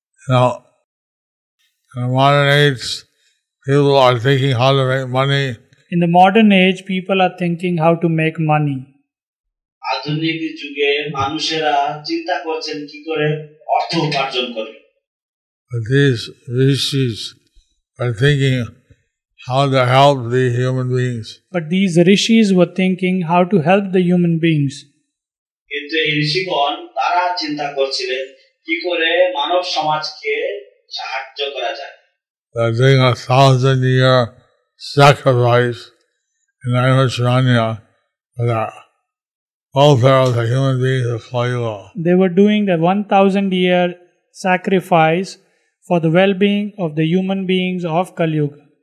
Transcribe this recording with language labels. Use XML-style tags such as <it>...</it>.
<en>Now, in the modern age, people are thinking how to make money. In the modern age, people are thinking how to make money.</en> <bn>আধুনিক যুগে মানুষেরা চিন্তা করছেন কি করে অর্থ উপার্জন করে।</bn> <en>These rishis are thinking how to help the human beings. But these rishis were thinking how to help the human beings.</en> <bn>কিন্তু এই ঋষিগণ তারা চিন্তা করছিলেন কি করে মানব সমাজকে সাহায্য করা যায়।</bn> <en>They're doing a thousand-year sacrifice in Aishwarya for the welfare of the human beings of Kaliyuga. They were doing a 1,000-year sacrifice for the well-being of the human beings of Kaliyuga.</en>